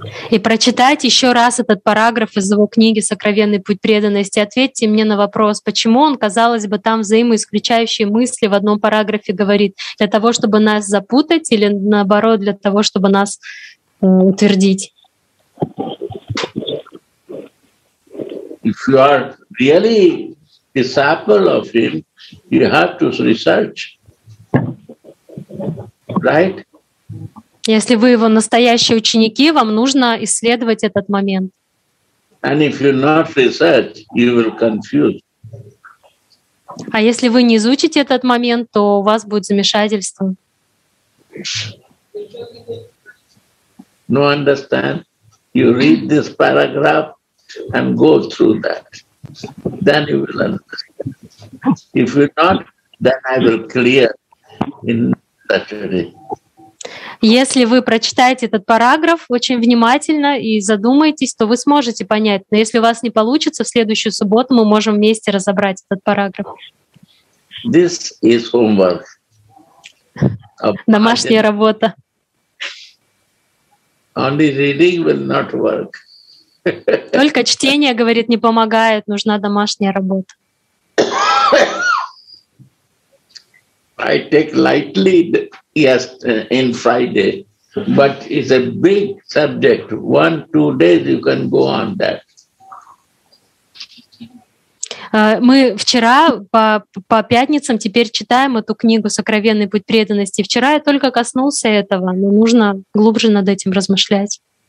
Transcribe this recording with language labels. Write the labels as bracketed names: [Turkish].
[Russian] И прочитайте еще раз этот параграф из его книги «Сокровенный путь преданности». Ответьте мне на вопрос, почему он, казалось бы, там взаимоисключающие мысли в одном параграфе говорит, для того, чтобы нас запутать или, наоборот, для того, чтобы нас утвердить? [English] If you are really disciple of him, you have to research. Right? [Russian] Если вы его настоящие ученики, вам нужно исследовать этот момент. [English] And if you not research, you will confuse. [Russian] А если вы не изучите этот момент, то у вас будет замешательство. [English] No, understand? You read this paragraph and go through that. Then you will understand. If you not, then I will clear in that way. [Russian] Если вы прочитаете этот параграф очень внимательно и задумаетесь, то вы сможете понять. Но если у вас не получится, в следующую субботу мы можем вместе разобрать этот параграф. [English] This is homework. [Russian] Домашняя работа. [English] Only reading will not work. [Russian] Только чтение, говорит, не помогает, нужна домашняя работа. [English] I take lightly, yes, in Friday, but it's a big subject. 1-2 days you can go on that. [Russian] Мы вчера по пятницам теперь читаем эту книгу «Сокровенный путь преданности». Вчера я только коснулся этого, но нужно глубже над этим размышлять.